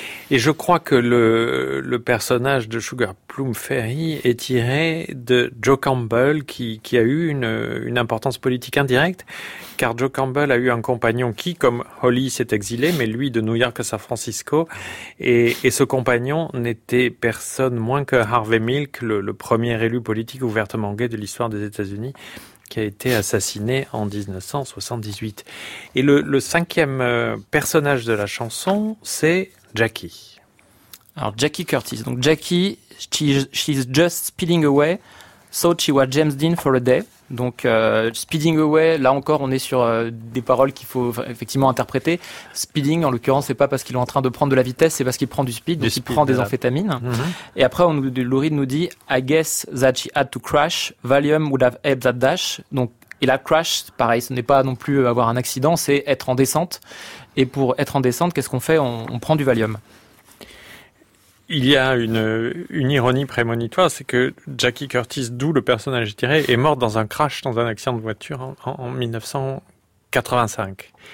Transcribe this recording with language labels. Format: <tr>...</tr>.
<fr>Et je crois que le personnage de Sugar Plum Fairy est tiré de Joe Campbell, qui a eu une importance politique indirecte, car Joe Campbell a eu un compagnon qui, comme Holly, s'est exilé, mais lui de New York à San Francisco, et ce compagnon n'était personne moins que Harvey Milk, le premier élu politique ouvertement gay de l'histoire des États-Unis, qui a été assassiné en 1978. Et le cinquième personnage de la chanson, c'est Jackie. Alors Jackie Curtis.</fr> <en>Donc Jackie, she's just speeding away, thought she was James Dean for a day.</en> <fr>Donc</fr> <en>speeding away,</en> <fr>là encore, on est sur des paroles qu'il faut effectivement interpréter. Speeding, en l'occurrence, c'est pas parce qu'il est en train de prendre de la vitesse, c'est parce qu'il prend du speed, donc il prend des amphétamines. Mm-hmm. Et après, Lou Reed nous dit «</fr> <en>I guess that she had to crash, Valium would have helped that dash ».</en> <fr>Et là, crash, pareil, ce n'est pas non plus avoir un accident, c'est être en descente. Et pour être en descente, qu'est-ce qu'on fait ? On prend du Valium. Il y a une ironie prémonitoire, c'est que Jackie Curtis, d'où le personnage tiré, est morte dans un crash, dans un accident de voiture en 1985.</fr>